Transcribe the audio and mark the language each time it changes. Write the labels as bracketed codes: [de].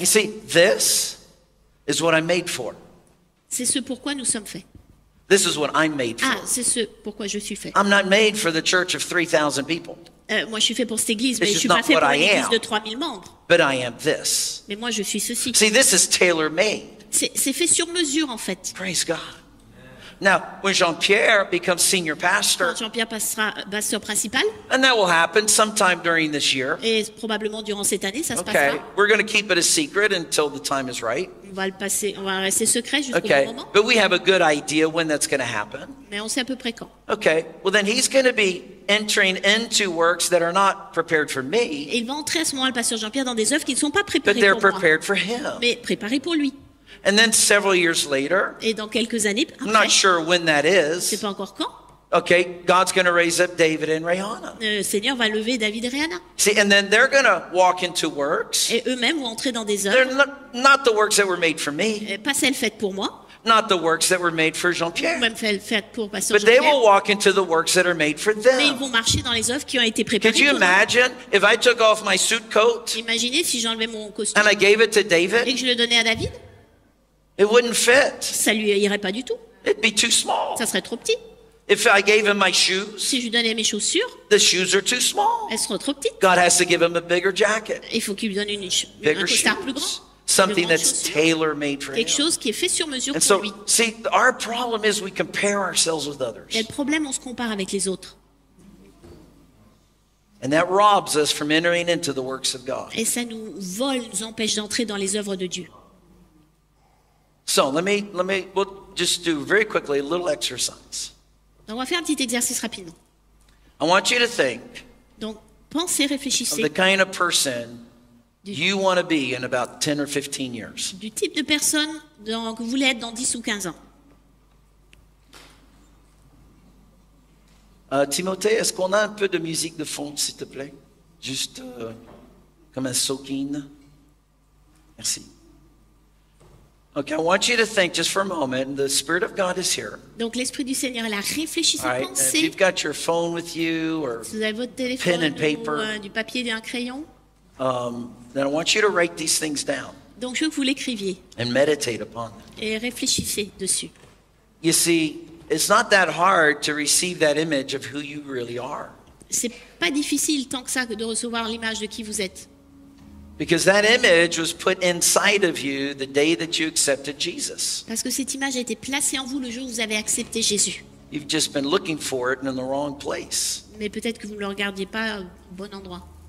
[en] You see, this is what I'm made for. [fr] C'est ce pourquoi nous sommes faits. [en] This is what I'm made for. [fr] Ah, c'est ce pourquoi je suis fait. [en] I'm not made for the church of 3,000 people. [fr] Moi, je suis fait pour cette église, mais je suis pas fait pour l'église de 3 000 membres. [en] But I am this. [fr] Mais moi, je suis ceci. [en] See, this is tailor-made. [fr] c'est fait sur mesure en fait. [en] Praise God. Now, when Jean-Pierre becomes senior pastor, [fr] quand Jean-Pierre passera pasteur principal, [en] and that will happen sometime during this year, [fr] et probablement durant cette année, ça se [en] okay. [fr] passera. [en] We're going to keep it a secret until the time is right. [fr] On va le passer, on va rester secret jusqu'au [en] okay. [fr] moment. [en] But we have a good idea when that's going to happen. [fr] Mais on sait à peu près quand. [en] Okay. Well, then he's going to be entering into works that are not prepared for me. [fr] Et il va entrer à ce moment-là, le pasteur Jean-Pierre, dans des œuvres qui ne sont pas préparées moi. [en] But they're prepared for him. [fr] Mais préparées pour lui. [en] And then several years later, [fr] et dans quelques années après, [en] I'm not sure when that is. [fr] C'est pas encore quand. [en] Okay, God's going to raise up David and Rihanna. [fr] Le Seigneur va lever David et Rihanna. [en] See, and then they're going to walk into works. [fr] Et eux-mêmes vont entrer dans des œuvres. [en] Not the works that were made for me. [fr] Pas celles faites pour moi. [en] Not the works that were made for Jean-Pierre. [fr] Même celles faites pour pasteur [en] Jean-Pierre. They will walk into the works that are made for them. [fr] Mais ils vont marcher dans les œuvres qui ont été préparées pour eux. [en] Could you imagine if I took off my suit coat? [fr] Imaginez si j'enlevais mon costume. [en] And I gave it to David. [fr] Et que je le donnais à David. [en] It wouldn't fit. [fr] Ça lui irait pas du tout. [en] It'd be too small. [fr] Ça serait trop petit. [en] If I gave him my shoes, [fr] si je lui donnais mes chaussures, [en] the shoes are too small. [fr] Elles seraient trop petites. [en] God has to give him a bigger jacket. [fr] Il faut qu'il lui donne une [en] bigger [fr] un costard plus grand. [en] Something that's tailor-made for him. [fr] Quelque chose qui est fait sur mesure [en] and [fr] pour [en] so, [fr] lui. [en] See, our problem is we compare ourselves with others. [fr] Et le problème, on se compare avec les autres. [en] And that robs us from entering into the works of God. [fr] Et ça nous vole, nous empêche d'entrer dans les œuvres de Dieu. [en] So let me we'll just do very quickly a little exercise. [fr] Donc, on va faire un petit exercice rapidement. [en] I want you to think. [fr] Donc, pensez, réfléchissez. [en] Of the kind of person you want to be in about 10 or 15 years. [fr] Du type de personne que vous voulez être dans 10 ou 15 ans. Timothée, est-ce qu'on a un peu de musique de fond, s'il te plaît? Juste comme un soaking. Merci. [en] Okay, I want you to think just for a moment. The Spirit of God is here. [fr] Donc l'Esprit du Seigneur est là. Réfléchissez, [en] right, [fr] pensez. [en] If you've got your phone with you, or [fr] si vous avez votre téléphone, [en] pen and paper, [fr] ou, du papier et un crayon. [en] Then I want you to write these things down. [fr] Donc je veux que vous l'écriviez. [en] And meditate upon them. [fr] Et réfléchissez dessus. [en] You see, it's not that hard to receive that image of who you really are. [fr] C'est pas difficile tant que ça de recevoir l'image de qui vous êtes. [en] Because that image was put inside of you the day that you accepted Jesus. [fr] Parce que cette image a été placée en vous le jour où vous avez accepté Jésus. [en] You've just been looking for it in the wrong place. [fr] Mais peut-être que vous ne le regardiez pas au bon endroit.